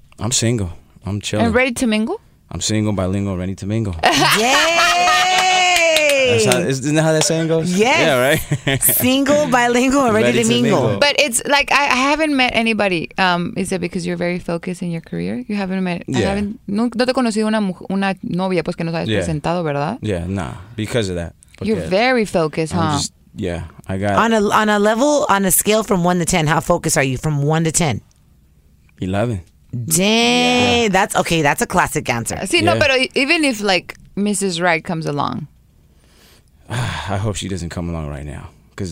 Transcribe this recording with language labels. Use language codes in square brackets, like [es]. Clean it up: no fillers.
[en] I'm single. I'm chilling. And ready to mingle? I'm single, bilingual, ready to mingle. Yay! Isn't that how that saying goes? Yes. Yeah, right? Single, bilingual, or ready to mingle. But it's like, I haven't met anybody. Is it because you're very focused in your career? You haven't met... Yeah. I haven't, [es] no te he conocido una novia pues que nos hayas presentado, ¿verdad? [en] Yeah, nah. Because of that. You're very focused, huh? I got... On a level, on a scale from 1 to 10, how focused are you from 1 to 10? 11. Dang. Yeah. That's okay. That's a classic answer. See, no, but even if like Mrs. Wright comes along... I hope she doesn't come along right now, because